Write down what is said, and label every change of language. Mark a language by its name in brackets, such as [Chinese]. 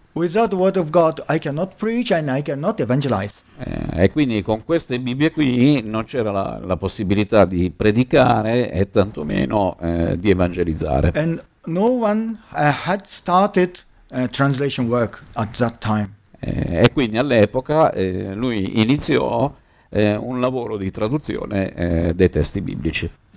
[English] Without the word of God, I cannot preach and I cannot evangelize. [Italian] E quindi con queste Bibbie qui non c'era la possibilità di predicare e tantomeno di evangelizzare. [English] And no one had started translation work at that time. [Italian] E quindi all'epoca lui iniziò un lavoro di traduzione dei testi biblici.